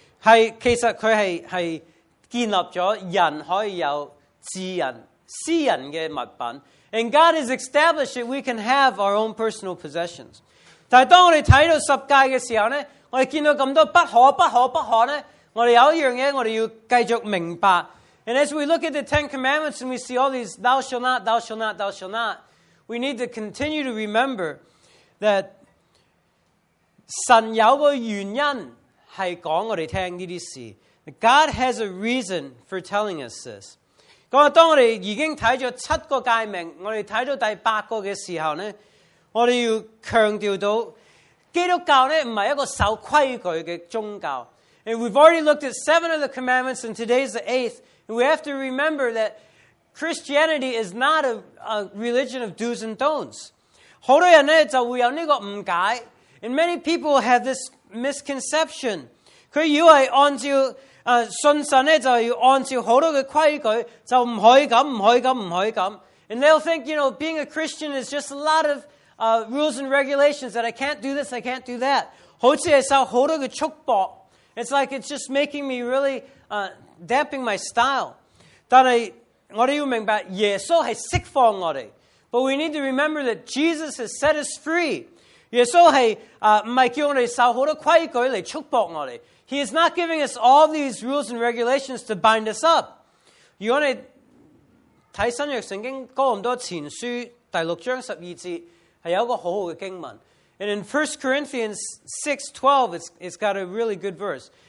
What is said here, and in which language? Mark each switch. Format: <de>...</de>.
<yue>係其實佢係建立咗人可以有自人私人嘅物品。</yue> <en>And God has established that we can have our own personal possessions.</en> <yue>但係當我哋睇到十戒嘅時候咧，我哋見到咁多不可、不可、不可咧，我哋有一樣嘢我哋要繼續明白。</yue> <en>And as we look at the Ten Commandments and we see all these "Thou shalt not, thou shalt not, thou shalt not," we need to continue to remember that</en> <yue>神有個原因係講我哋聽呢啲事。</yue> <en>God has a reason for telling us this.</en> <yue>咁啊，當我哋已經睇咗七個戒命，我哋睇到第八個嘅時候咧，我哋要強調到基督教咧唔係一個守規矩嘅宗教。</yue> <en>And we've already looked at seven of the commandments, and today is the eighth. And we have to remember that Christianity is not a religion of do's and don'ts.</en> <yue>好多人咧就會有呢個誤解 ，</yue> <en>and many people have this misconception.</en> <yue>佢以為按照信神咧就要按照好多嘅規矩，就唔可以咁，唔可以咁，唔可以咁。</yue> <en>And they'll think, you know, being a Christian is just a lot of rules and regulations that I can't do this, I can't do that.</en> <yue>好似係受好多嘅束縛。</yue> <en>It's like it's just making me really damping my style.</en> <yue>但係我哋要明白耶穌係釋放我哋。</yue> <en>But we need to remember that Jesus has set us free.</en> <yue>耶穌係唔係叫我哋受好多規矩嚟束縛我哋。</yue> <en>He is not giving us all these rules and regulations to bind us up.</en> <yue>如果你睇新約聖經哥林多前書第六章十二節係有一個好好嘅經文。</yue> <en>And in 1 Corinthians 6:12, it's got a really good verse.</en>